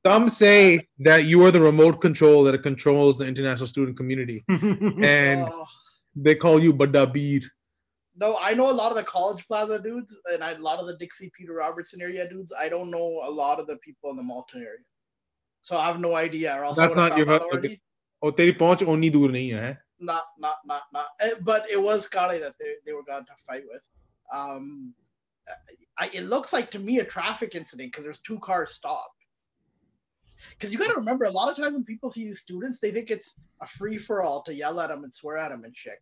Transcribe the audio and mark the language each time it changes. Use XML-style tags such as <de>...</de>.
<en>Some say that you are the remote control that controls the international student community. And they call you Badabir. No, I know a lot of the College Plaza dudes and a lot of the Dixie Peter Robertson area dudes. I don't know a lot of the people in the Malton area. So I have no idea. That's not your authority.</en> <pa>Okay. ਓਹ, ਤੇਰੇ ਪਹੁੰਚ ਓਨੀ ਦੂਰ ਨਹੀ ਹੈ.</pa> <en>Not. But it was Kali that they were going to fight with. It looks like to me a traffic incident because there's two cars stopped. Because you got to remember, a lot of times when people see these students, they think it's a free for all to yell at them and swear at them and shit.</en>